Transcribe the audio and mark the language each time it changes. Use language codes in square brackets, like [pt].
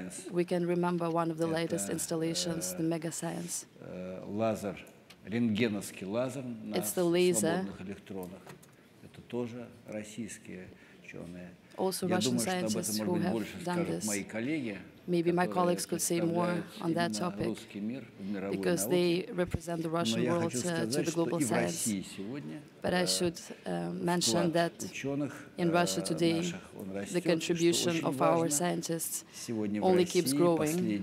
[en] We can remember one of the latest installations, the Mega Science. [ru] Лазер, рентгеновский лазер на свободных электронах. Это тоже российские ученые. [en] also Russian scientists who have done this. Maybe my colleagues could say more on that topic, because they represent the Russian world to the global science. But I should mention that in Russia today, the contribution of our scientists only keeps growing.